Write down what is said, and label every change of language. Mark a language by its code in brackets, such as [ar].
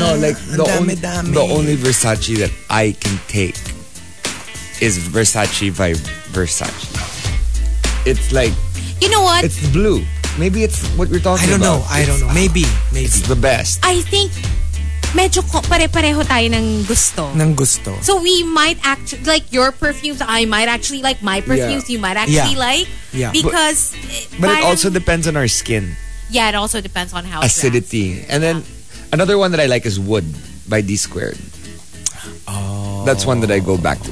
[en] no, like, the only Versace that I can take is Versace by Versace. It's like... You know what? It's blue. Maybe it's what you're talking about. I don't know. Maybe. It's the best. I think... [tl] Medyo pare-pareho tayo ng gusto. Ng gusto. [en] So we might actually... Like, your perfumes, I might actually like my perfumes. Yeah. You might actually like. Yeah. Because... But it also depends on our skin. Yeah, it also depends on how... Acidity. It and then, another one that I like is Wood by D Squared. That's one that I go back to.